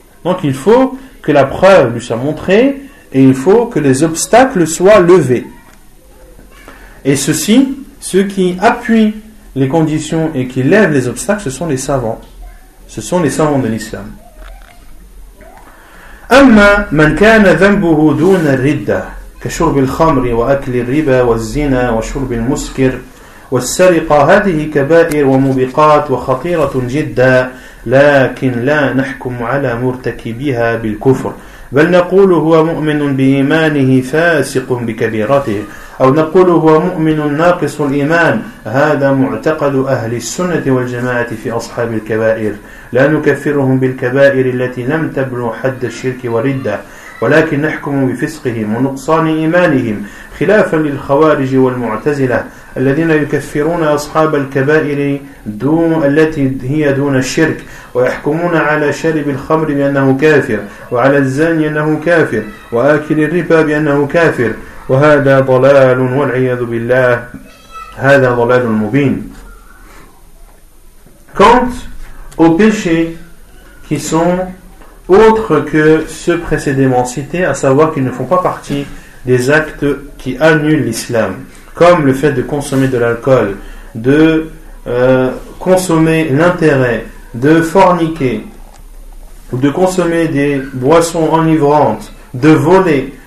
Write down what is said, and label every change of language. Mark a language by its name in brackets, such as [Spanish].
[French] Donc il faut que la preuve lui soit montrée, et il faut que les obstacles soient levés. Et ceci, ceux qui appuient les conditions et qui lèvent les obstacles, ce sont les savants. Ce sont les savants de l'islam. [Arabic] أما من كان ذنبه دون الردة كشرب الخمر وأكل الربا والزنا وشرب المسكر والسرقة هذه كبائر وموبقات وخطيرة جدا لكن لا نحكم على مرتكبها بالكفر بل نقول هو مؤمن بإيمانه فاسق بكبيرته أو نقول هو مؤمن ناقص الإيمان هذا معتقد أهل السنة والجماعة في أصحاب الكبائر لا نكفرهم بالكبائر التي لم تبلغ حد الشرك والردة ولكن نحكم بفسقهم ونقصان إيمانهم خلافا للخوارج والمعتزلة الذين يكفرون أصحاب الكبائر التي هي دون الشرك ويحكمون على شارب الخمر بأنه كافر وعلى الزاني أنه كافر وآكل الربا بأنه كافر وهذا ضلال والعياذ بالله هذا ضلال مبين. [French] Quant aux péchés qui sont autre que ceux précédemment cités, à savoir qu'ils ne font pas partie des actes qui annulent l'islam, comme le fait de consommer de l'alcool, de consommer l'intérêt, de forniquer, ou de consommer des boissons enivrantes, de voler.